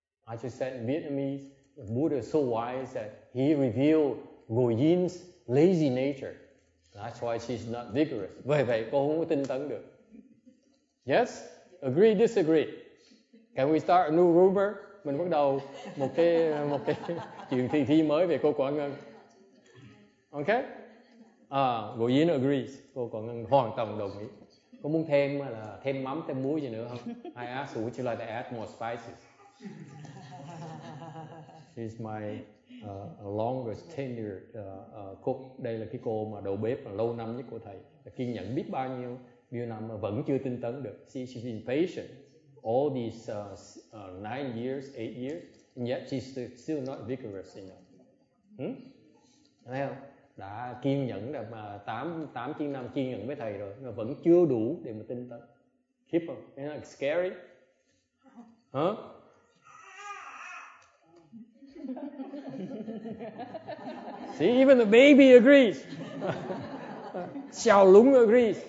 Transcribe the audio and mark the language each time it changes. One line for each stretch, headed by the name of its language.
English: I just said in Vietnamese, the Buddha is so wise that he revealed Ngoyin's lazy nature. That's why she's not vigorous.
Vietnamese: Vậy vậy, cô không có tinh tấn được.
English: Yes? Agree, disagree? Can we start a new rumor?
Vietnamese: Mình bắt đầu một cái chuyện thi mới về cô Quả Ngân. Okay?
English: Ngoyin agrees.
Vietnamese: Cô Quả Ngân hoàn toàn đồng ý. Có muốn thêm là thêm mắm, thêm muối gì nữa không?
English: I ask, would you like to add more spices? She's my longest tenured cook.
Vietnamese: Đây là cái cô mà đầu bếp mà lâu năm nhất của thầy. Kiên nhẫn biết bao nhiêu năm mà vẫn chưa tinh tấn được.
English: She's impatient. All these 9 years, 8 years, and yet she's still not vigorous enough.
Vietnamese: Thấy không? Đã kiên nhẫn được mà 8-9 năm kiên nhẫn với thầy rồi, nhưng mà vẫn chưa đủ để mà tinh tấn.
English: Keep up. Isn't that scary? Hả? See, even the baby agrees. Xào lúng agrees.